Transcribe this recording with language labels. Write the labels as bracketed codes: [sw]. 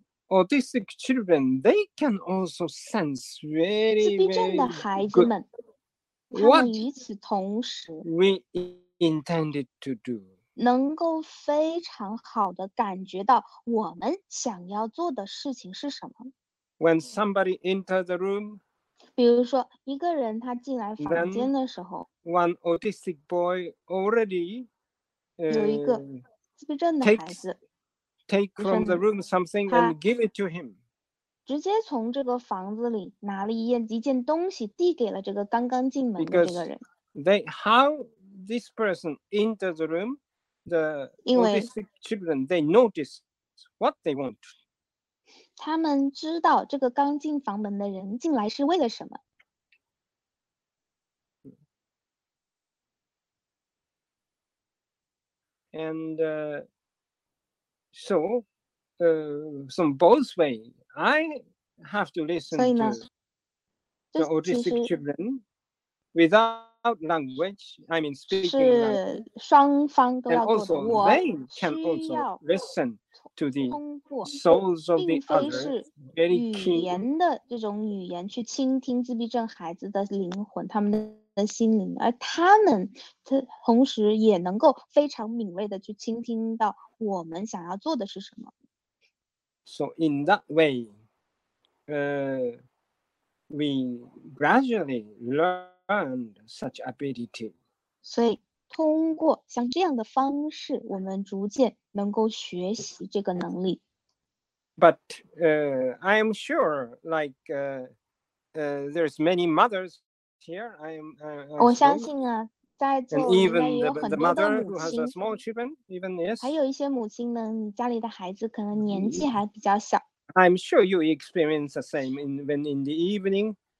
[en] Autistic children, they can also sense very, very good what we intended to do. [zh] 能够非常好的感觉到我们想要做的事情是什么。 [en] When somebody enters the room, [zh] 比如说一个人他进来房间的时候， [en] one autistic boy already [zh] 有一个自闭症的孩子。 [en] Take from the room something and give it to him. [zh] 直接从这个房子里拿了一件东西，递给了这个刚刚进门的这个人。 [en] Because they how this person enters the room, the autistic children they notice what they want. [zh] 他们知道这个刚进房门的人进来是为了什么。 [en] And. So, some both way. I have to listen to the autistic children without language. I mean, speaking language. [zh] 是双方都要做的。 [en] And also, they can also listen to the souls of the others. Very keen. [zh] 语言的这种语言去倾听自闭症孩子的灵魂，他们的心灵，而他们同时也能够非常敏锐的去倾听到。我们想要做的是什么 [en] ？So in that way, we gradually learn such ability. [zh] 所以通过像这样的方式，我们逐渐能够学习这个能力。 [en] But I am sure, like, there's many mothers here. I'm sure you experience the same when in the evening.